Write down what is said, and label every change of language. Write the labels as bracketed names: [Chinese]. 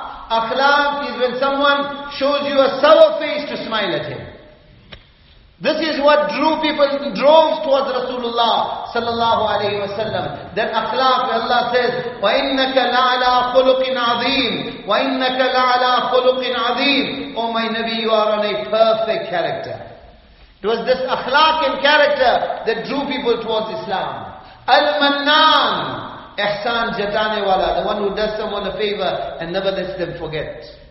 [English] Akhlaq is when someone shows you a sour face to smile at him. This is what drove towards Rasulullah sallallahu alaihi wasallam. That akhlaq, Allah says, [Arabic] وَإِنَّكَ لَعَلَىٰ خُلُقٍ عَظِيمٍ وَإِنَّكَ لَعَلَىٰ خُلُقٍ عَظِيمٍ. [English] Oh my Nabi, you are on a perfect character. It was this akhlaq and character that drew people towards Islam. Al-Mannan, [Urdu] Ihsan Jatane Wala, [English] the one who does someone a favor and never lets them forget.